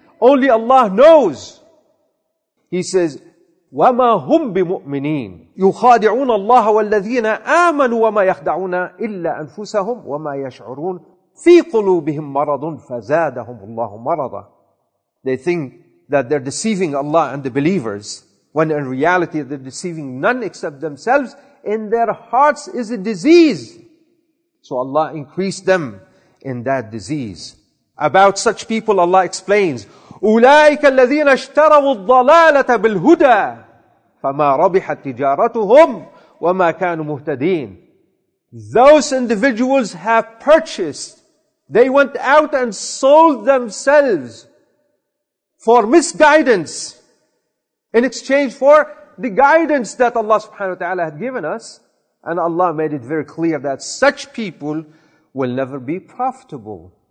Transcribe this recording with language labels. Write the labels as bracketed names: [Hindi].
[English] Only Allah knows. He says, [Arabic] وَمَا هُمْ بِمُؤْمِنِينَ يُخَادِعُونَ اللَّهَ وَالَّذِينَ آمَنُوا وَمَا يَخْدَعُونَ إِلَّا أَنفُسَهُمْ وَمَا يَشْعُرُونَ فِي قُلُوبِهِمْ مَرَضٌ فَزَادَهُمُ اللَّهُ مَرَضًا. [English] They think that they're deceiving Allah and the believers, when in reality they're deceiving none except themselves. In their hearts is a disease. So Allah increased them in that disease. About such people Allah explains, [Arabic] أولئك الذين اشتروا الضلالة بالهدى فما ربحت تجارتهم وما كانوا مهتدين. [English] Those individuals have purchased, they went out and sold themselves for misguidance in exchange for the guidance that Allah subhanahu wa ta'ala had given us. And Allah made it very clear that such people will never be profitable.